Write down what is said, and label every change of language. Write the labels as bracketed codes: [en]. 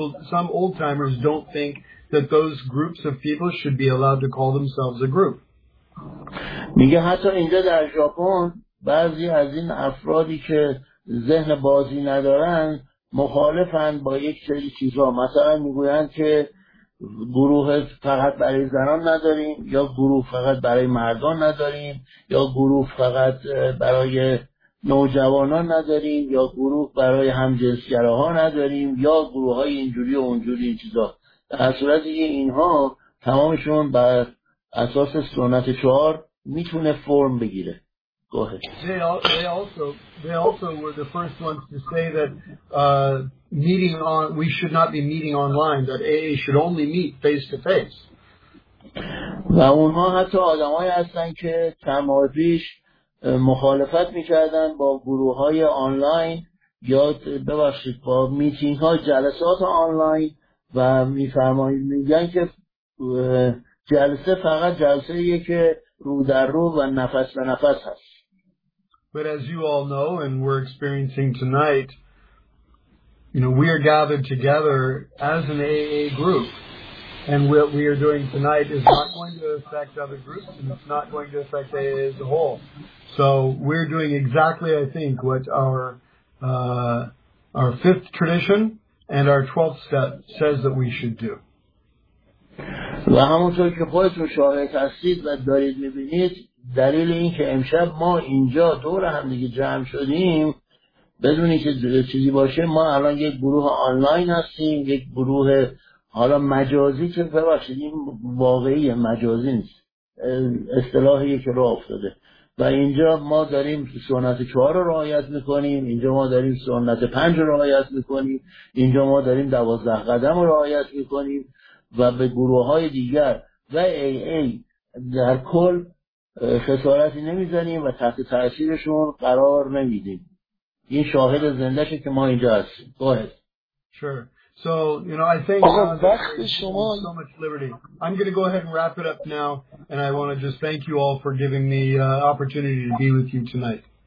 [en] Some old timers don't think that those groups of people should be allowed to call themselves a group. [fa] میگه حتی اینجا در ژاپن بعضی از این افرادی که ذهن بازی ندارن مخالفن با یک سری چیزا، مثلا میگویند که گروه فقط برای زنان نداریم، یا گروه فقط برای مردان نداریم، یا گروه فقط برای نوجوانان نداریم، یا گروه برای همجنسگراها نداریم، یا گروه های اینجوری و اونجوری این چیزا. در صورتی که اینها تمامشون بر اساس سنت 4 میتونه فرم بگیره. [en] Go ahead. They also were the first ones to say that we should not be meeting online, that AA should only meet face to face. [fa] و اونها حتی آدمایی هستن که چند ماه پیش مخالفت میکردن با گروه‌های آنلاین یا ببخشید با میتینگ‌ها، جلسات آنلاین. و میفرمایید میگن که جلسه فقط جلسه ایه که رو در رو و نفس به نفس هست. [en] But as you all know and we're experiencing tonight, you know, we are gathered together as an AA group, and what we are doing tonight is not going to affect other groups, and it's not going to affect AA as a whole. So we're doing exactly, I think, what our fifth tradition and our 12th step says that we should do. [fa] و همونطور که خودتون شاهد هستید و دارید میبینید، دلیل این که امشب ما اینجا دور هم دیگه جمع شدیم، بدون اینکه چیزی باشه، ما الان یک گروه آنلاین هستیم، یک گروه حالا مجازی که ببخشید این واقعی مجازی نیست، اصطلاحی که راه افتاده، و اینجا ما داریم سنت 4 رو رعایت میکنیم، اینجا ما داریم سنت 5 رو رعایت میکنیم، اینجا ما داریم 12 قدم رو رعایت میکنیم، و به گروه های دیگر و AA در کل خسارتی نمیزنیم و تحت تأثیرشون قرار نمیدیم. این شاهد زندشه که ما اینجا هستیم. [en] Go ahead. Sure. So, you know, I thank so much liberty. I'm going to go ahead and wrap it up now, and I want to just thank you all for giving me opportunity to be with you tonight.